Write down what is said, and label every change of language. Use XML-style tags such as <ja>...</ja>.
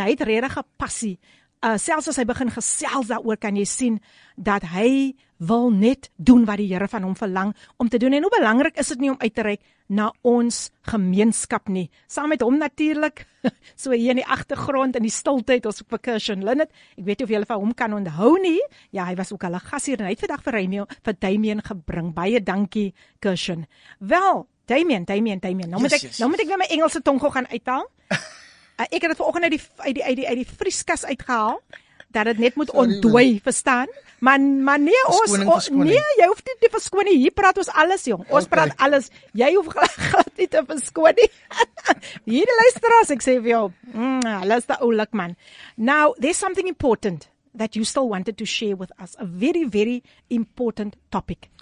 <af>Hy het regtig 'n passie. Selfs as hy begin gesels daaroor, kan jy sien dat hy wil net doen wat die Here van hom verlang om te doen. En hoe belangrik is dit nie om uit te reik na ons gemeenskap nie. Saam met hom natuurlik, so hier in die agtergrond, in die stilteheid, ons percussion Linnet. Ek weet nie of jy van hom kan onthou nie. Ja, hy was ook hulle gas hier en hy het vandag vir Damian gebring. Baie dankie, Cushion. Wel, Damian, nou moet ek weer my Engelse tong gou gaan uithaal. Ek het dit vanoggend uit die vrieskas uitgehaal, dat het net moet ontdooi, verstaan? Maar nee, jy hoef nie te verskoon nie. Hier praat ons alles, jong. Praat alles. Jy hoef glad nie te verskoon nie. Hier luister as ek sê vir jou, hulle is te oulik, man.</af> <en>Now, there's something important that you still wanted to share with us. A very, very important topic.</en>